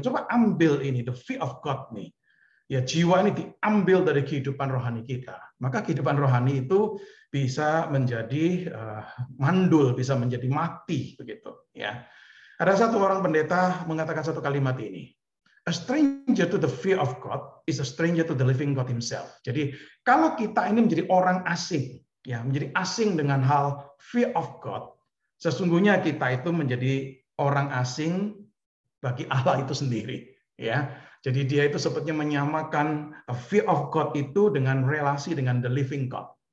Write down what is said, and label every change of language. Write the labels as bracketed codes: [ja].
[id] Coba ambil ini, [en] the fear of God [id] nih. Ya, jiwa ini diambil dari kehidupan rohani kita. Maka kehidupan rohani itu bisa menjadi mandul, bisa menjadi mati begitu, ya. Ada satu orang pendeta mengatakan satu kalimat ini. [en] A stranger to the fear of God is a stranger to the living God himself. [id] Jadi, kalau kita ini menjadi orang asing, ya, menjadi asing dengan hal fear of God, sesungguhnya kita itu menjadi orang asing bagi Allah itu sendiri, ya. Jadi dia itu sepertinya menyamakan a fear of God itu dengan relasi dengan the living God.